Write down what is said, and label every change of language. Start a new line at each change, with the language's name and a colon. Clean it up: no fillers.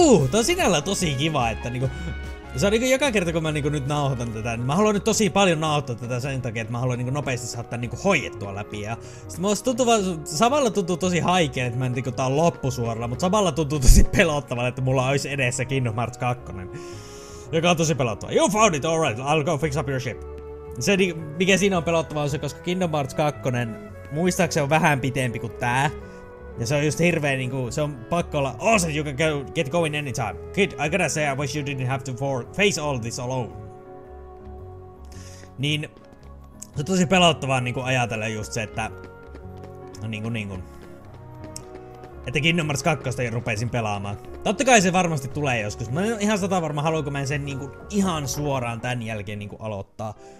Finnish: Tää on sinällään tosi kiva, että niinku... Se on niinku joka kerta, kun mä niinku nyt nauhoitan tätä, niin mä haluan nyt tosi paljon nauhoittaa tätä sen takia, että mä haluan niinku nopeasti saada tän niinku hoidettua läpi. Ja sit mä samalla tuntuu tosi haikeen, että mä en niinku tää on loppusuoralla, mutta samalla tuntuu tosi pelottavalle, että mulla olisi edessä Kingdom Hearts 2. Joka on tosi pelottava.
English: You found it, alright, I'll go fix up your ship.
Finnish: Se niinku, mikä siinä on pelottava, on se, koska Kingdom Hearts 2, muistaakseni on vähän pitempi kuin tää. Ja se on just hirveä niinku, se on pakko olla awesome,
English: you can go, get going anytime. Kid, I gotta say, I wish you didn't have to face all this alone.
Finnish: Niin, se on tosi pelottavaa niinku ajatella just se, että... No niinku... Että Kingdom Hearts 2 jo rupesin pelaamaan. Totta kai se varmasti tulee joskus, mä en ihan sata varma, haluanko mä sen niinku ihan suoraan tän jälkeen niinku aloittaa.